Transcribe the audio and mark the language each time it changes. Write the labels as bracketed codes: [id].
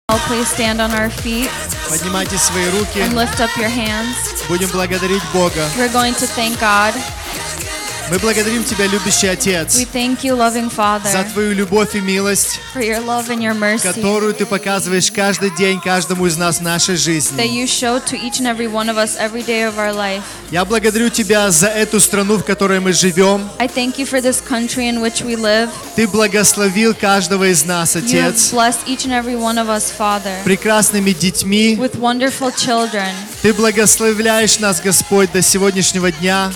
[en] Please stand on our feet. [ru] Поднимайте свои руки. [en] And lift up your hands. [ru] Будем благодарить Бога. [en] We're going to thank God. [ru] Мы благодарим тебя, любящий Отец. [en] We thank you, loving Father. [ru] За твою любовь и милость. [en] For your love and your mercy. [ru] Которую ты показываешь каждый день каждому из нас в нашей жизни. [en] That you show to each and every one of us every day of our life. [ru] Я благодарю тебя за эту страну, в которой мы живем. [en] I thank you for this country in which we live. [ru] Ты благословил каждого из нас, Отец. [en] You have blessed each and every one of us, Father. [ru] Прекрасными детьми. [en] With wonderful children. [ru] Ты благословляешь нас, Господь, до сегодняшнего дня.